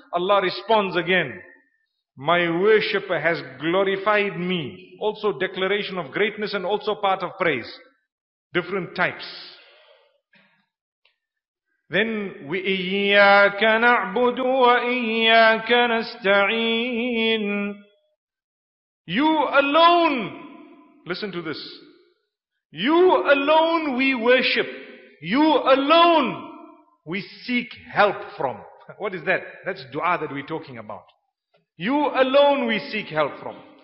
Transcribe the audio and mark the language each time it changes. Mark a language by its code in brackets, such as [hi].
[en] Allah responds again, my worshipper has glorified me. Also declaration of greatness and also part of praise. different types. Then [ar] وَإِيَّاكَ نَعْبُدُ وَإِيَّاكَ نَسْتَعِينَ. [en] You alone, listen to this, you alone we worship, you alone we seek help from. What is that? That's dua that we're talking about. You alone we seek help from.